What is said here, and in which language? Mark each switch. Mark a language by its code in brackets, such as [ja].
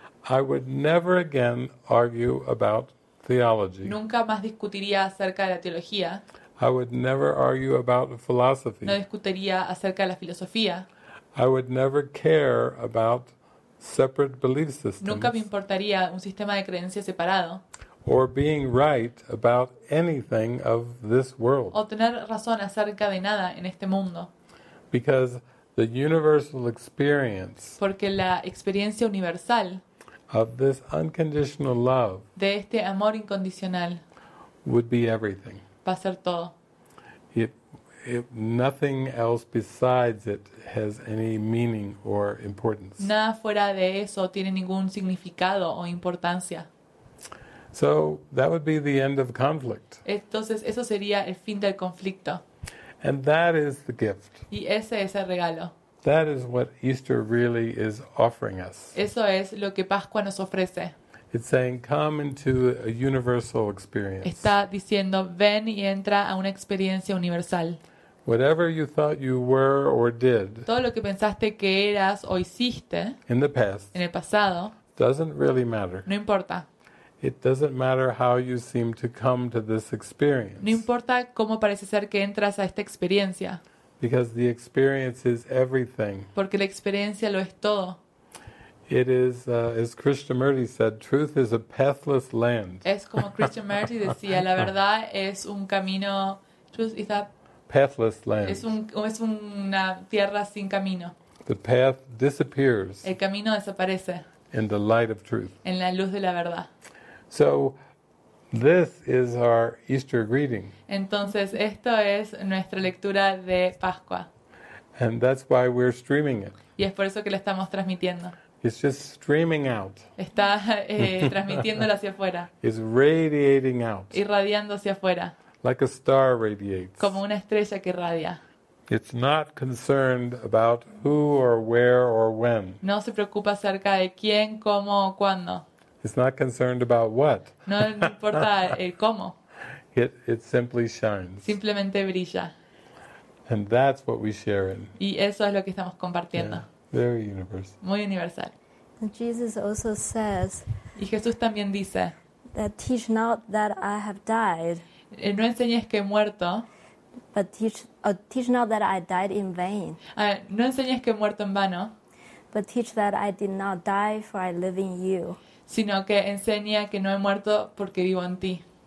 [en] I would never again argue about theology. [es] Nunca más discutiría acerca de la teología. [en] I would never argue about philosophy. [es] No discutiría acerca de la filosofía. [en] I would never care about separate belief systems. [es] Nunca me importaría un sistema de creencias separado. [en] Or being right about anything of this world. [es] O tener razón acerca de nada en este mundo. [en] Because the universal experience. [es] Porque la experiencia universal. [en] Of this unconditional love. [es] De este amor incondicional. [en] Would be everything. [es] Va a ser todo. [en] If nothing else besides it has any meaning or importance. [es] Nada fuera de eso tiene ningún significado o importancia. [en] So that would be the end of conflict. [es] Entonces eso sería el fin del conflicto. [en] And that is the gift. [es] Y ese es el regalo. [en] That is what Easter really is offering us. [es] Eso es lo que Pascua nos ofrece. [en] It's saying, "Come into a universal experience." [es] Está diciendo, ven y entra a una experiencia universal. [en] Whatever you thought you were or did. [es] Todo lo que pensaste que eras o hiciste. [en] In the past. [es] En el pasado. [en] Doesn't really matter. [es] No importa. [en] It doesn't matter how you seem to come to this experience. [es] No importa cómo parece ser que entras a esta experiencia. [en] Because the experience is everything. [es] Porque la experiencia lo es todo. [en] It is, as Krishnamurti said, truth is a pathless land. [es] Es como Krishnamurti decía, la verdad es un camino. [en] Truth is a pathless land. [es] Es una tierra sin camino. [en] The path disappears. [es] El camino desaparece. [en] In the light of truth. [es] En la luz de la verdad. [en] So, this is our Easter greeting. [es] Entonces, esto es nuestra lectura de Pascua. [en] And that's why we're streaming it. [es] Y es por eso que la estamos transmitiendo. [en] It's just streaming out. [es] Está transmitiéndolo hacia afuera. [en] It's radiating out. [es] Irradiando hacia afuera. [en] Like a star radiates. [es] Como una estrella que irradia. [en] It's not concerned about who or where or when. [es] No se preocupa acerca de quién, cómo o cuándo. [en] It's not concerned about what. [es] No importa el cómo. [en] It simply shines. [es] Simplemente brilla. [en] And that's what we share in. [es] Y eso es lo que estamos compartiendo. [en] Yeah. Very universal. [es] Muy universal. [en] And Jesus also says. [es] Y Jesús también dice. [en] That teach not that I have died. [es] No enseñes que he muerto. [en] But teach not that I died in vain. [es] No enseñes que he muerto en vano. [en] But teach that I did not die for I live in you. [es] Sino que enseña que no he muerto porque vivo en ti.